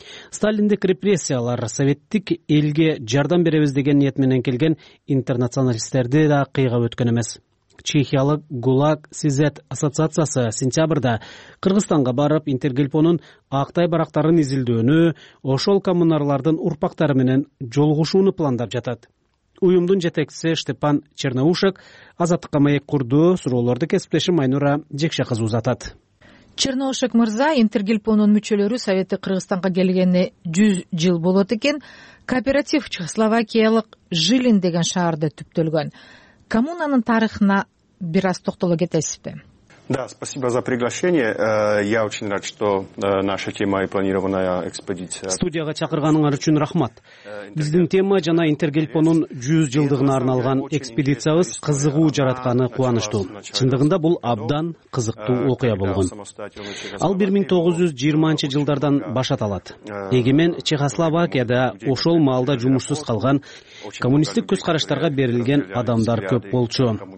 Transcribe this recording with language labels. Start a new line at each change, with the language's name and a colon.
Kyrgyz: Сталиндик репрессиялар советтик элге жардам беребиз деген ниет менен келген интернационалисттерди да кыйга өткөн эмес. Чехиялык ГУЛАГ СИЗЭТ ассоциациясы сентябрда Кыргызстанга барып, Интергельпонун актай барактарын изилдөөнү, ошол коммунарлардын урпактары менен жолугушууну пландап жатат. Уюмдун жетекчиси Степан Чернаушек азаттыкка маек курду. Суроолорду кесиптешим Айнура Жекше кызы узатат. Чернаушек мырза, Интергельпонун мүчөлөрү Советти Кыргызстанга келгенине 100 жыл болот экен. Кооператив чехословакиялык Жилин деген шаарда түптөлгөн. Коммунанын тарыхына бир аз токтоло кетесизби?
Russian: Да, спасибо за приглашение. Я очень рад, что наша тема и планированная экспедиция.
Kyrgyz: Студияга чакырганыңар үчүн рахмат. Биздин тема жана Интергелпонун 100 жылдыгына арналган экспедициябыз кызыгуу жаратканы кубанычтуу. Чындыгында бул абдан кызыктуу окуя болгон. Ал 1920-жылдардан башаталат. Эгемен Чехословакияда ошол маалда жумушсуз калган коммунисттик көз караштарга берилген адамдар көп болчу.